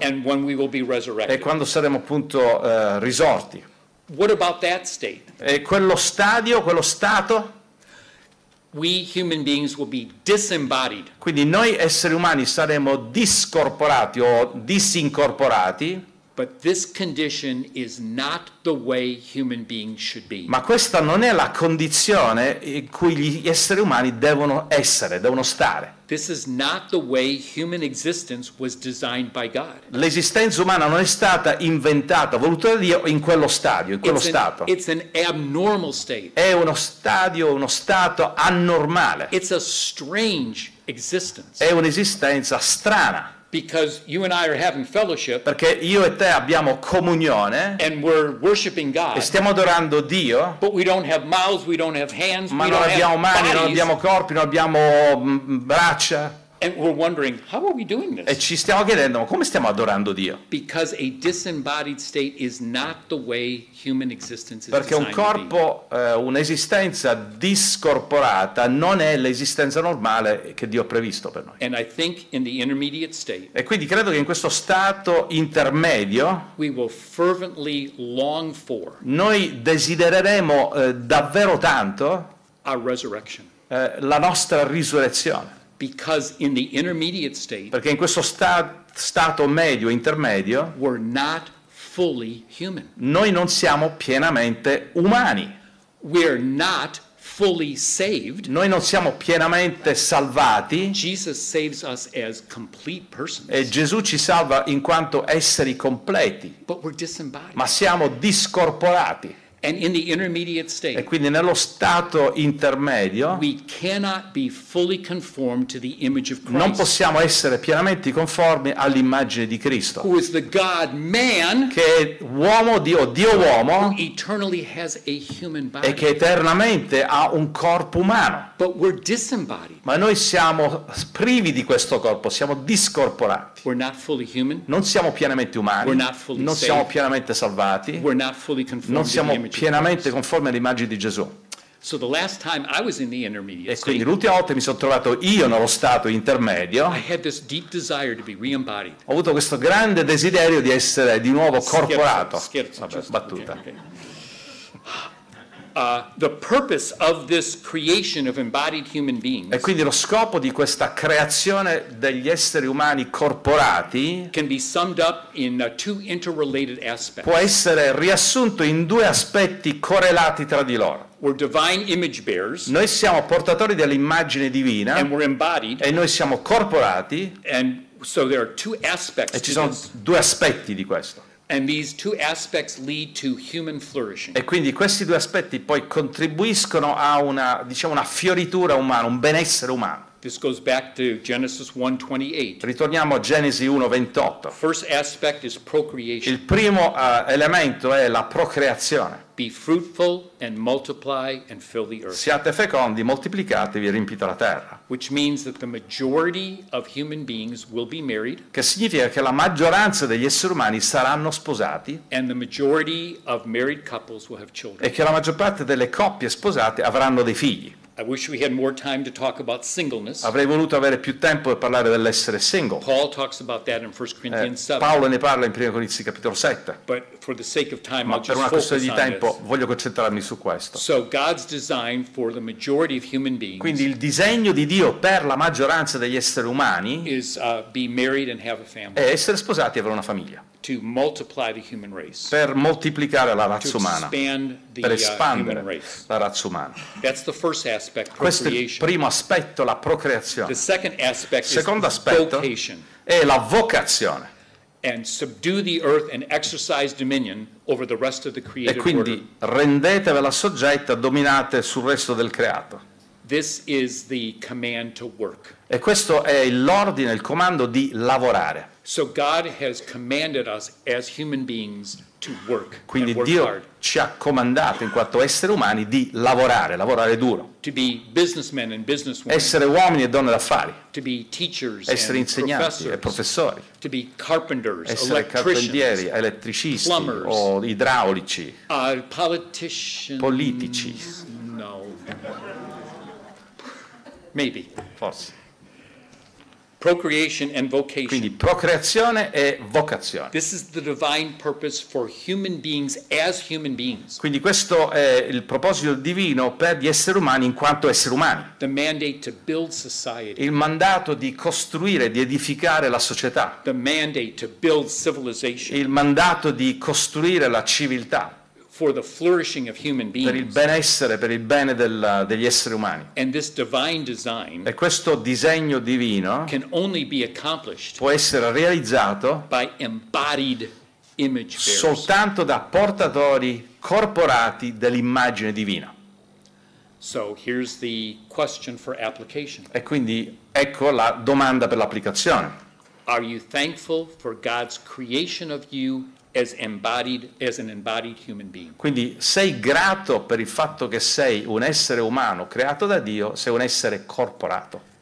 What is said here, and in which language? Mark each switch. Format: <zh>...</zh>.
<en>and when we will be resurrected,</en> <it>e quando saremo appunto risorti.</it> <en>What about that state?</en> <it>E quello stadio, quello stato?</it> <en>We human beings will be disembodied.</en> <it>Quindi noi esseri umani saremo discorporati o disincorporati.</it> <en>But this condition is not the way human beings should be.</en> <it>Ma questa non è la condizione in cui gli esseri umani devono essere, devono stare.</it> <en>This is not the way human existence was designed by God.</en> <it>L'esistenza umana non è stata inventata, voluta da Dio, in quello stadio, in quello stato.</it> <en>It's an abnormal state.</en> <it>È uno stadio, uno stato anormale.</it> <en>It's a strange existence.</en> <it>È un'esistenza strana.</it> <en>Because you and I are having fellowship,</en> <it>perché io e te abbiamo comunione,</it> <en>and we're worshiping God,</en> <it>e stiamo adorando Dio,</it> <en>but we don't have mouths, we don't have hands,</en> <it>ma</it> <en>we</en> <it>non</it> <en>don't</en> <it>abbiamo</it> <en>have</en> <it>mani,</it> <en>bodies.</en> <it>Non abbiamo corpi, non abbiamo braccia.</it> <en>And we're wondering, how are we doing this?</en> <it>E ci stiamo chiedendo, ma come stiamo adorando Dio?</it> <en>Because a disembodied state is not the way human existence is.</en> <it>Perché un corpo, un'esistenza discorporata non è l'esistenza normale che Dio ha previsto per noi.</it> <en>And I think in the intermediate state.</en> <it>E quindi credo che in questo stato intermedio</it> <en>we will fervently long for.</en> <it>Noi desidereremo davvero tanto</it> <en>our resurrection.</en> <it>La nostra risurrezione.</it> <en>Because in the intermediate state,</en> <it>perché in questo stato medio, intermedio,</it> <en>we're not fully human.</en> <it>Noi non siamo pienamente umani.</it> <en>We're not fully saved.</en> <it>Noi non siamo pienamente salvati.</it> <en>Jesus saves us as complete persons.</en> <it>E Gesù ci salva in quanto esseri completi.</it> <en>But we're disembodied.</en> <it>Ma siamo discorporati.</it> <en>And in the intermediate state,</en> <it>e quindi nello stato intermedio</it> <en>we cannot be fully conformed to the image of Christ,</en> <it>non possiamo essere pienamente conformi all'immagine di Cristo,</it> <en>who is the God man,</en> <it>che è uomo Dio, Dio uomo,</it> <en>who eternally has a human body,</en> <it>e che eternamente ha un corpo umano.</it> <en>But we're disembodied.</en> <it>Ma noi siamo privi di questo corpo, siamo discorporati.</it> <en>We're not fully human.</en> <it>Non siamo pienamente umani.</it> <en>We're not fully</en> <it>non</it> <en>saved.</en> <it>Siamo pienamente salvati.</it> <en>We're not fully conformed.</en> <it>Non siamo pienamente conforme all'immagine di Gesù.</it> <en>So the last time I was in the intermediate state,</en> <it>e quindi l'ultima volta mi sono trovato io nello stato intermedio,</it> <en>I had this deep desire to be re-embodied.</en> <it>Ho avuto questo grande desiderio di essere di nuovo corporato. Scherzo, vabbè, battuta.</it> <en>Okay. The purpose of this creation of embodied human beings,</en> <it>e quindi lo scopo di questa creazione degli esseri umani corporati,</it> <en>can be summed up in two interrelated aspects.</en> <it>Può essere riassunto in due aspetti correlati tra di loro.</it> <en>We're divine image bearers.</en> <it>Noi siamo portatori dell'immagine divina.</it> <en>And we're embodied.</en> <it>E noi siamo corporati.</it> <en>And so there are two aspects.</en> <it>E ci sono due aspetti di questo.</it> <en>And these two aspects lead to human flourishing.</en> <it>E quindi questi due aspetti poi contribuiscono a una, diciamo, una fioritura umana, un benessere umano.</it> <en>This goes back to Genesis 1:28.</en> <it>Ritorniamo a Genesi 1:28.</it> <en>First aspect is procreation.</en> <it>Il primo elemento è la procreazione.</it> <en>Be fruitful and multiply and fill the earth.</en> <it>Siate fecondi, moltiplicatevi e riempite la terra.</it> <en>Which means that the majority of human beings will be married.</en> <it>Che significa che la maggioranza degli esseri umani saranno sposati.</it> <en>And the majority of married couples will have children.</en> <it>E che la maggior parte delle coppie sposate avranno dei figli.</it> <en>I wish we had more time to talk about singleness.</en> <it>Avrei voluto avere più tempo per parlare dell'essere single.</it> <en>Paul talks about that in 1 Corinthians 7.</en> <it>Paolo ne parla in 1 Corinzi capitolo 7.</it> <en>But for the sake of time,</en> <it>ma</it> <en>I'll just</en> <it>per una questione di tempo</it> <en>this.</en> <it>Voglio concentrarmi su questo.</it> <en>So God's design for the majority of human beings.</en> <it>Quindi il disegno di Dio per la maggioranza degli esseri umani</it> <en>is be married and have a family.</en> <it>È essere sposati e avere una famiglia.</it> <en>To multiply the human race.</en> <it>Per moltiplicare la razza umana. Per espandere</it> <en>human race.</en> <it>La razza umana.</it> <en>That's the first aspect,</en> <it>questo è il primo aspetto, la procreazione.</it> <en>The second aspect</en> <it>secondo</it> <en>is</en> <it>aspetto</it> <en>vocation.</en> <it>È la vocazione.</it> <en>And subdue the earth and exercise dominion over the rest of the created order.</en> <it>E quindi rendetevela soggetta, dominate sul resto del creato.</it> <en>This is the command to work.</en> <it>E questo è l'ordine, il comando di lavorare.</it> <en>So God has commanded us as human beings to work.</en> <it>Quindi</it> <en>and work</en> <it>Dio</it> <en>hard.</en> <it>Ci ha comandato in quanto esseri umani di lavorare, lavorare duro.</it> <en>To be businessmen and businesswomen.</en> <it>Essere uomini e donne d'affari.</it> <en>To be teachers</en> <it>essere</it> <en>and</en> <it>insegnanti</it> <en>professors.</en> <it>E professori.</it> <en>To be carpenters,</en> <it>essere carpentieri, elettricisti,</it> <en>plumbers,</en> <it>o idraulici.</it> <en>Politicians.</en> <it>Politici.</it> <en>No. Maybe.</en> <it>Forse.</it> <en>Procreation and vocation.</en> <it>Quindi procreazione e vocazione.</it> <en>This is the divine purpose for human beings as human beings.</en> <it>Quindi questo è il proposito divino per gli esseri umani in quanto esseri umani.</it> <en>The mandate to build society.</en> <it>Il mandato di costruire, di edificare la società.</it> <en>The mandate to build civilization.</en> <it>Il mandato di costruire la civiltà.</it> <en>For the flourishing of human beings.</en> <it>Per il benessere, per il bene degli esseri umani.</it> <en>And this divine design.</en> <it>E questo disegno divino.</it> <en>Can only be accomplished.</en> <it>Può essere realizzato.</it> <en>By embodied image bearers.</en> <it>Soltanto da portatori corporati dell'immagine divina.</it> <en>So here's the question for application.</en> <it>E quindi ecco la domanda per l'applicazione.</it> <en>Are you thankful for God's creation of you? As embodied, as an embodied human being.</en> <it>Quindi sei grato per il fatto che sei un essere umano creato da Dio, sei un essere corporato.</it>